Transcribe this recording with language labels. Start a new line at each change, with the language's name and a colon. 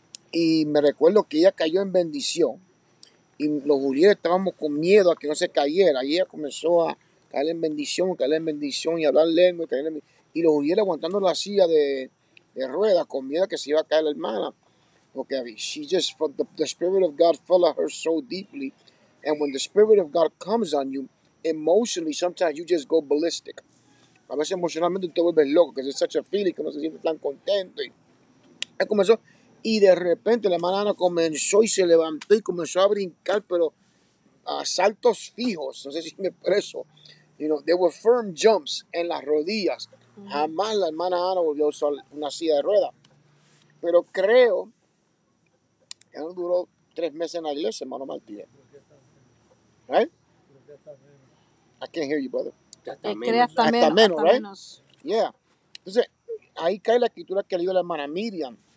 Spanish: Y me recuerdo que ella cayó en bendición. Y los judíos estábamos con miedo a que no se cayera. Y ella comenzó a caer en bendición y hablar lengua. Y los judíos aguantando la silla de ruedas con miedo a que se iba a caer la hermana. Porque
English: she just, the Spirit of God fell on her so deeply. And when the Spirit of God comes on you, emotionally, sometimes you just go ballistic.
Spanish: A veces emocionalmente te vuelves loco.
English: Because it's such a feeling
Spanish: que no se siente tan contento. Y ella comenzó. Y de repente la hermana Ana comenzó y se levantó y comenzó a brincar, pero a saltos fijos. No sé si me expreso.
English: You know, there were firm jumps
Spanish: en las rodillas. Uh-huh. Jamás la hermana Ana volvió a usar una silla de ruedas. Pero creo que no duró 3 meses en la iglesia, hermano Martínez.
English: ¿Right? I can't hear you, brother.
Spanish: Hasta menos,
English: right? Yeah.
Spanish: Entonces, ahí cae la escritura que le dio la hermana Miriam.